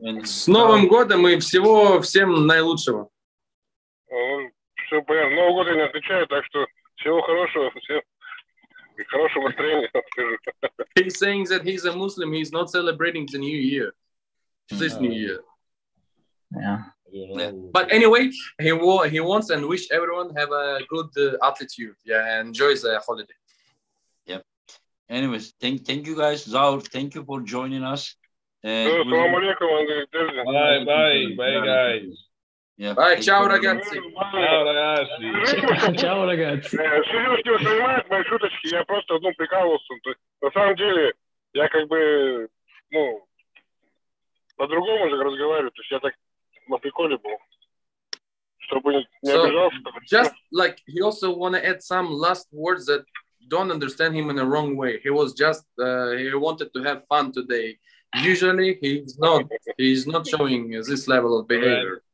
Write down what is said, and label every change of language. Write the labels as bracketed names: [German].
[Russian] С Новым годом и всего всем наилучшего. Все понятно. Нового года не отвечаю, так что всего хорошего, всем хорошего настроения, скажу. [English] He's saying that he's a Muslim, he's not celebrating the new year. This new year. Yeah. But anyway, he wants and wish everyone have a good attitude. Yeah, and enjoy the holiday. Anyways, thank you guys. Zaur, thank you for joining us. Bye guys. Yeah. Bye. [Italian] Ciao ragazzi. Ciao ragazzi. Ciao ragazzi. [Russian] Серьёзно, я понимаю мои шуточки. Я просто одну прикалывался. То есть на самом деле я как бы, ну, по-другому же разговариваю. То есть я так на приколе был. Чтобы не обижался. [English] Just like he also wanna add some last words that don't understand him in the wrong way. He was just he wanted to have fun today. Usually he's not showing this level of behavior.